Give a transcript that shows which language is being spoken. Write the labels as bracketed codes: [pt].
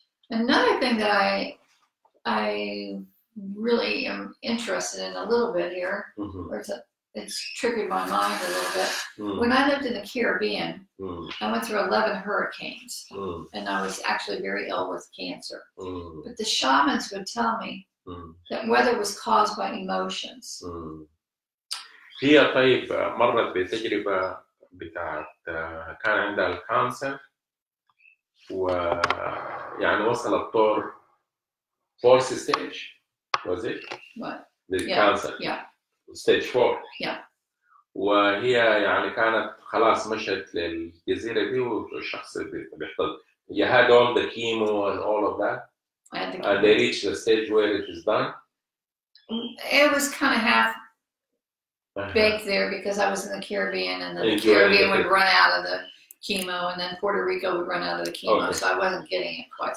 [en] Another thing that I really am interested in a little bit here, or it's triggered my mind a little bit. When I lived in the Caribbean, I went through 11 hurricanes, and I was actually very ill with cancer. But the shamans would tell me that weather was caused by emotions. [ar] هي طيب مرت بتجربة بتاعت كان عندها الكانسر ويعني وصل الطور [en] fourth stage. Was it? What? The cancer. Yeah. Stage 4. Yeah. [ar] وهي يعني كانت خلاص مشت للجزيرة دي والشخص بيحتضن. [en] You had all the chemo and all of that. They reached the stage where it was done. It was kind of half baked there because I was in the Caribbean and then the Caribbean would run out of the chemo and then Puerto Rico would run out of the chemo, so I wasn't getting it quite.